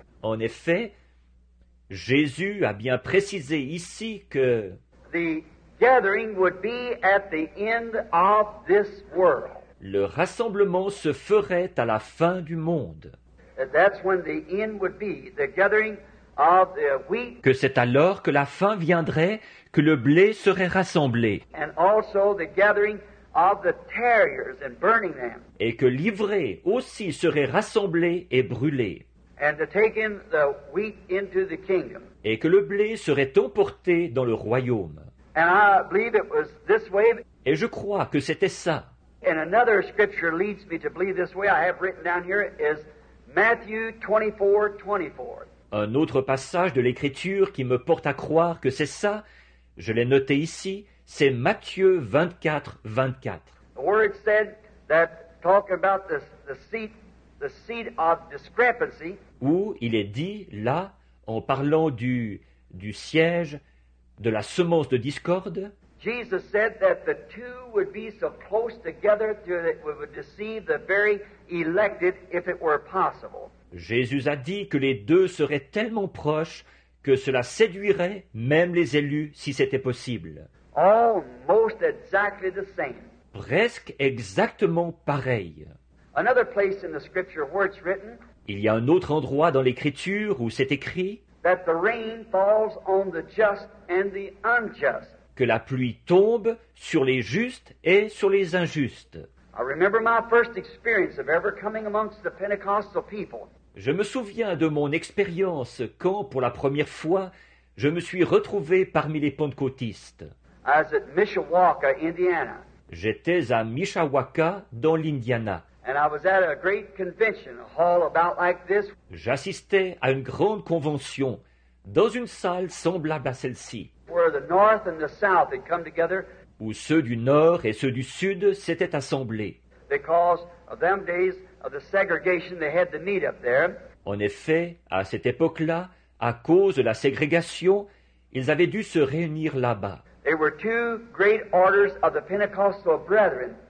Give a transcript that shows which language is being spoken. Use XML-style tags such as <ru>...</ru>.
<fr>En effet, Jésus a bien précisé ici que</fr> <en>the gathering would be at the end of this world.</en> <fr>Le rassemblement se ferait à la fin du monde.</fr> <en>That's when the end would be, the gathering of the wheat.</en> <fr>Que c'est alors que la fin viendrait, que le blé serait rassemblé.</fr> <en>And also the gathering of the tares and burning them.</en> <fr>Et que l'ivraie aussi serait rassemblée et brûlée.</fr> <en>And to take in the wheat into the kingdom.</en> <fr>Et que le blé serait emporté dans le royaume.</fr> <en>And I believe it was this way.</en> <fr>Et je crois que c'était ça.</fr> <en>And another scripture leads me to believe this way. I have written down here is Matthew 24, 24.</en> <fr>Un autre passage de l'Écriture qui me porte à croire que c'est ça, je l'ai noté ici, c'est Matthieu 24, 24.</fr> <en>The word said that talking about the seed of discrepancy.</en> <fr>Où il est dit, là, en parlant du siège, de la semence de discorde.</fr> <en>Jesus said that the two would be so close together that it would deceive the very elected if it were possible.</en> <fr>Jésus a dit que les deux seraient tellement proches que cela séduirait même les élus si c'était possible.</fr> <en>Almost exactly the same.</en> <fr>Presque exactement pareil.</fr> <en>Another place in the scripture where it's written.</en> <fr>Il y a un autre endroit dans l'écriture où c'est écrit</fr> <en>that the rain falls on the just and the unjust.</en> <fr>Que la pluie tombe sur les justes et sur les injustes.</fr> <en>I remember my first experience of ever coming amongst the Pentecostal people.</en> <fr>Je me souviens de mon expérience quand, pour la première fois, je me suis retrouvé parmi les pentecôtistes.</fr> <en>As at Mishawaka, Indiana.</en> <fr>J'étais à Mishawaka, dans l'Indiana.</fr> <en>And I was at a great convention, a hall about like this.</en> <fr>J'assistais à une grande convention dans une salle semblable à celle-ci.</fr> <en>Where the north and the south had come together.</en> <fr>Où ceux du nord et ceux du sud s'étaient assemblés.</fr> <en>Because of them days of the segregation, they had the meet up there.</en> <fr>En effet, à cette époque-là, à cause de la ségrégation, ils avaient dû se réunir là-bas.</fr> <en>They were two great orders of the Pentecostal brethren.</en>